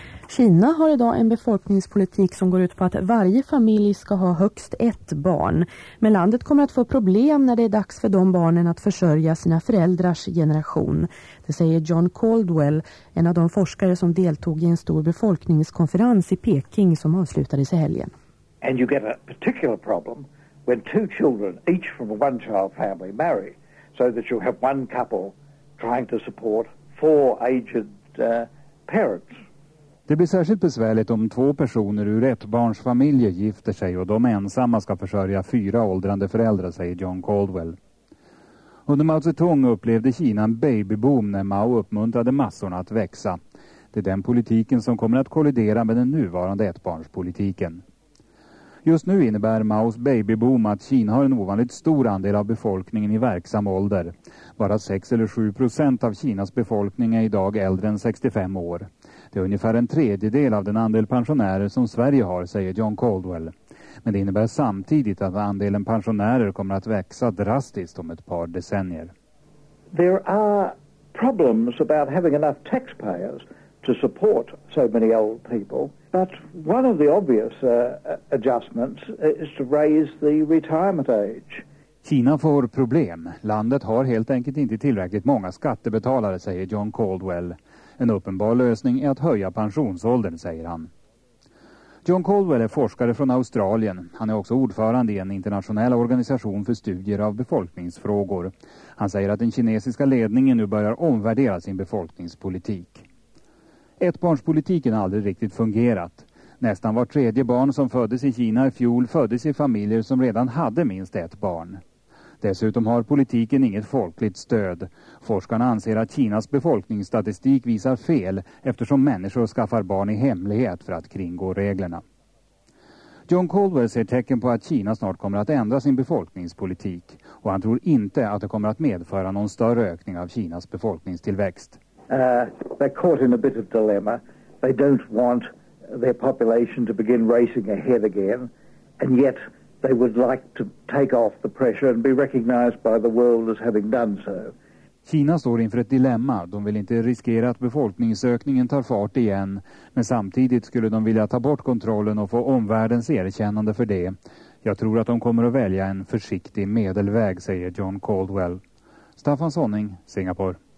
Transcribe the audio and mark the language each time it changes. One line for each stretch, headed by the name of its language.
Swedish: Kina har idag en befolkningspolitik som går ut på att varje familj ska ha högst ett barn. Men landet kommer att få problem när det är dags för de barnen att försörja sina föräldrars generation. Det säger John Caldwell, en av de forskare som deltog i en stor befolkningskonferens i Peking som avslutades i helgen.
English: And you get a particular problem when two children, each from a one-child family, marry, so that you have one couple trying to support four aged parents.
Swedish: Det blir särskilt besvärligt om två personer ur ett barns familj gifter sig och de ensamma ska försörja fyra åldrande föräldrar, säger John Caldwell. Under Mao Zedong upplevde Kina en babyboom när Mao uppmuntrade massorna att växa. Det är den politiken som kommer att kollidera med den nuvarande ettbarnspolitiken. Just nu innebär Maos babyboom att Kina har en ovanligt stor andel av befolkningen i verksam ålder. Bara 6 eller 7% av Kinas befolkning är idag äldre än 65 år. Det är ungefär en tredjedel av den andel pensionärer som Sverige har, säger John Caldwell. Men det innebär samtidigt att andelen pensionärer kommer att växa drastiskt om ett par decennier.
English: There are problems about having enough taxpayers to support so many old people. But one of the obvious adjustments is to raise the retirement age.
Swedish: Kina får problem. Landet har helt enkelt inte tillräckligt många skattebetalare, säger John Caldwell. En uppenbar lösning är att höja pensionsåldern, säger han. John Caldwell är forskare från Australien. Han är också ordförande i en internationell organisation för studier av befolkningsfrågor. Han säger att den kinesiska ledningen nu börjar omvärdera sin befolkningspolitik. Ettbarnspolitiken har aldrig riktigt fungerat. Nästan var tredje barn som föddes i Kina i fjol föddes i familjer som redan hade minst ett barn. Dessutom har politiken inget folkligt stöd. Forskarna anser att Kinas befolkningsstatistik visar fel eftersom människor skaffar barn i hemlighet för att kringgå reglerna. John Caldwell ser tecken på att Kina snart kommer att ändra sin befolkningspolitik och han tror inte att det kommer att medföra någon större ökning av Kinas befolkningstillväxt.
English: They're caught in a bit of dilemma. They don't want their population to begin racing ahead again, and yet they would like to take off the pressure and be recognized by the world as having done so.
Swedish: Kina står inför ett dilemma. De vill inte riskera att befolkningsökningen tar fart igen, men samtidigt skulle de vilja ta bort kontrollen och få omvärldens erkännande för det. Jag tror att de kommer att välja en försiktig medelväg, säger John Caldwell. Staffan Sonning, Singapore.